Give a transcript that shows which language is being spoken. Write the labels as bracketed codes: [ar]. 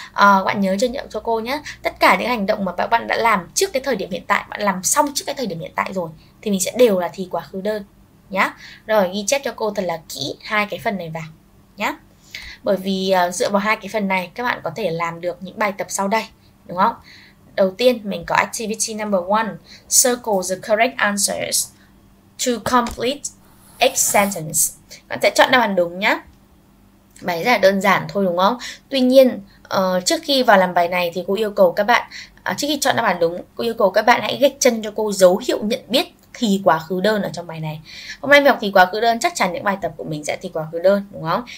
[vi] Các bạn nhớ nhận cho cô nhé. Tất cả những hành động mà các bạn đã làm trước cái thời điểm hiện tại, bạn làm xong trước cái thời điểm hiện tại rồi, thì mình sẽ đều là thì quá khứ đơn. Nhá. Rồi, ghi chép cho cô thật là kỹ hai cái phần này vào. Nhá. Bởi vì dựa vào hai cái phần này, các bạn có thể làm được những bài tập sau đây. Đúng không? Đầu tiên, mình có activity number 1. [en] Circle the correct answers to complete a sentence. [vi] Bạn sẽ chọn đáp án đúng nhé. Bài rất là đơn giản thôi, đúng không? Tuy nhiên, trước khi vào làm bài này thì cô yêu cầu các bạn, trước khi chọn đáp án đúng, cô yêu cầu các bạn hãy gạch chân cho cô dấu hiệu nhận biết thì quá khứ đơn ở trong bài này. Hôm nay mình học thì quá khứ đơn, chắc chắn những bài tập của mình sẽ thì quá khứ đơn, đúng không?